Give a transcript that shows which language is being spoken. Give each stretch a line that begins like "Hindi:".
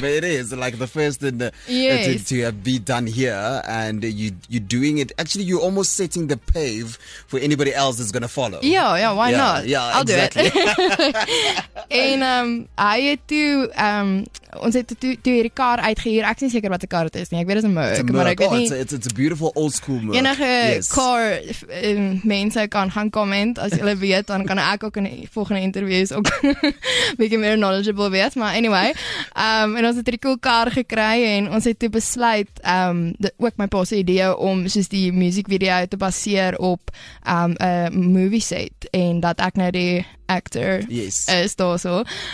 English: but it is like the first in the, to have be done here, and you're doing it. Actually, you're almost setting the pave for anybody else that's going to follow. Yeah, why not? Yeah, I'll exactly. do it. And I had to,
Afrikaans: ons het toe hierdie kar uitgehuur. Ek is nie seker wat 'n kar dit is nie. Ek weet dit is 'n Merc, maar ek weet nie.
English: It's a beautiful old school Merc.
Afrikaans: Enige kar mense kan gaan comment as hulle weet, dan kan ek ook in die volgende interviews ook bietjie meer knowledgeable wees, maar anyway. En ons het hierdie cool kar gekry en ons het toe besluit ook my pa se idee om soos die music video te baseer op 'n movie set en dat ek nou die actor is daar so.